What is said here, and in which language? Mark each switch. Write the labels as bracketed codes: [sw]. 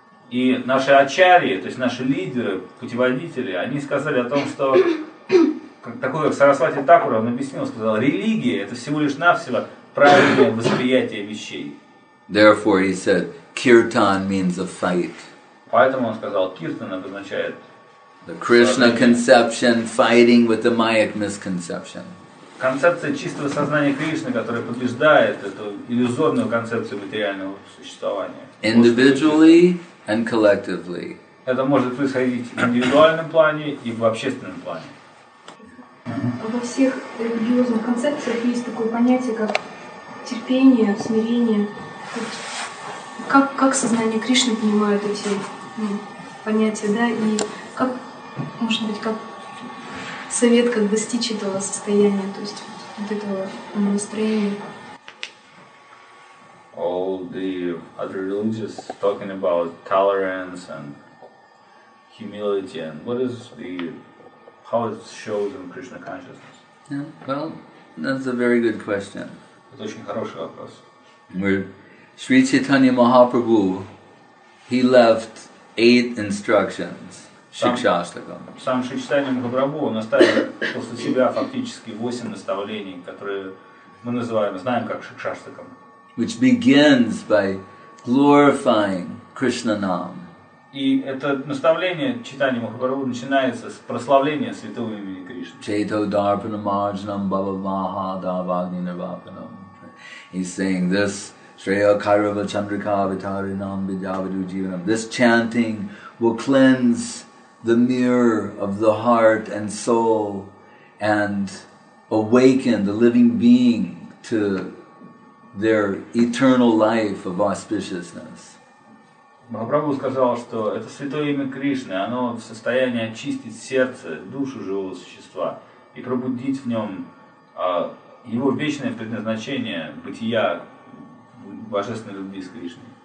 [ru] И наши ачарьи, то есть наши лидеры, путеводители, они сказали о том, что такой как Сарасвати Такур, он объяснил, сказал, религия это всего лишь навсего правильное восприятие вещей. [en] Therefore, he said, kirtan means a fight. [ru] Поэтому он сказал, киртан обозначает [en] the Krishna conception fighting with the mayic misconception. [ru] Концепция чистого сознания Кришны, которая побеждает эту иллюзорную концепцию материального существования. Individually and collectively. Это может происходить в индивидуальном плане и в общественном плане. Во всех религиозных концепциях есть такое понятие, как терпение, смирение. Как сознание Кришны понимает эти понятия, да? И как, может быть, как совет, как достичь этого состояния, то есть вот этого настроения? [en] All the other religions talking about tolerance and humility and what is the how it shows in Krishna consciousness? Yeah, well, that's a very good question. [ru] Это очень хороший вопрос. [en] Sri Chaitanya Mahaprabhu, he left 8 instructions. Shikshastakam. [ru] Сам Шри Чайтанья Махапрабху он оставил после себя фактически 8 наставлений, которые мы называем, знаем как Шикшаштакам. [en] Which begins by glorifying Krishna Nam. [ru] И это наставление читания Махапрабху начинается с прославления святого имени Кришны. [sa] Чейто дарпана марджанам баба маха давагни нирвапанам. [en] He's saying this [sa] Shreya Kairava Chandrika Vitarinam Vidyavidu Jivanam. [en] This chanting will cleanse the mirror of the heart and soul and awaken the living being to their eternal life of auspiciousness. [ru] Махапрабху сказал, что это святое имя Кришны, оно в состоянии очистить сердце, душу живого существа и пробудить в нем его вечное предназначение бытия божественной любви с Кришной.